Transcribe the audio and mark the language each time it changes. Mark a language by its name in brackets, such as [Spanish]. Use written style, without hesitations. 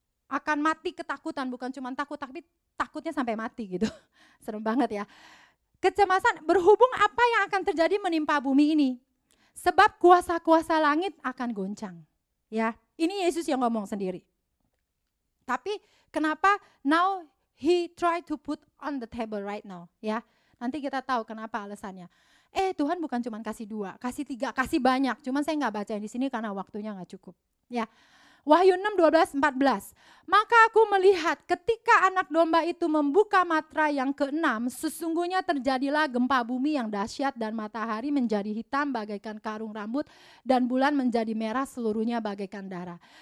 [Indonesian] Akan mati ketakutan, bukan cuma takut, tapi takutnya sampai mati gitu. Serem banget ya. Kecemasan berhubung apa yang akan terjadi menimpa bumi ini. Sebab kuasa-kuasa langit akan goncang. Ya, ini Yesus yang ngomong sendiri. Tapi kenapa [English] now he try to put on the table right now. [Indonesian] Ya, nanti kita tahu kenapa alasannya. Tuhan bukan cuma kasih dua, kasih tiga, kasih banyak. Cuma saya gak bacain di sini karena waktunya gak cukup. Ya, Wahyu 6:12-14. Maka aku melihat ketika anak domba itu membuka matra yang keenam, sesungguhnya terjadilah gempa bumi yang dahsyat dan matahari menjadi hitam bagaikan karung rambut dan bulan menjadi merah seluruhnya bagaikan darah.